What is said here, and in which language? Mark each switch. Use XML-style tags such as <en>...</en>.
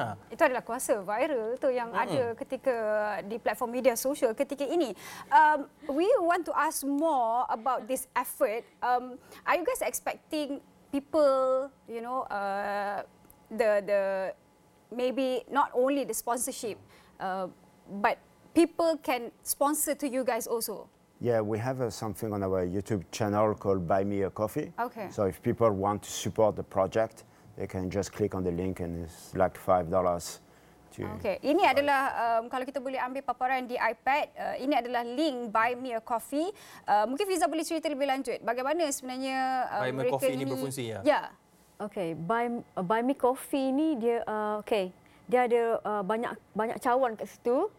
<ms>Itu adalah kuasa viral tu yang ada ketika di platform media sosial ketika ini.</ms> <en>We want to ask more about this effort. Are you guys expecting people, you know, the maybe not only the sponsorship, but people can sponsor to you guys also? Yeah, we have something on our YouTube channel called Buy Me a Coffee. Okay. So if people want to support the project, they can just click on the link and it's like $5 to...</en> <ms>Okay, ini adalah kalau kita boleh ambil paparan di iPad, ini adalah link Buy Me a Coffee. Mungkin Fiza boleh cerita lebih lanjut bagaimana sebenarnya Buy Me Coffee ini berfungsi ya? Yeah. Okay, Buy Me Coffee ini dia okay, dia ada banyak cawan kat situ.</ms>